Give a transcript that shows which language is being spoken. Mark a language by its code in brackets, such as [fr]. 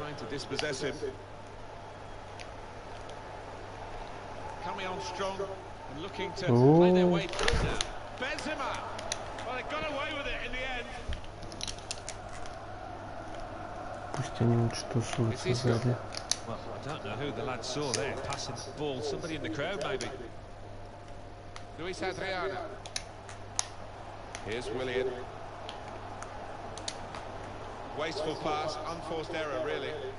[en] Dispossess him. Coming on strong and looking to play their way through now. Benzema! Well, they got away with it in the end. [ru] Пусть они лучше тусуются сзади. [en] Well, I don't know who the lad saw there passing the ball. Somebody in the crowd, maybe. Luis Adriano. Here's Willian. Wasteful pass, unforced error, really.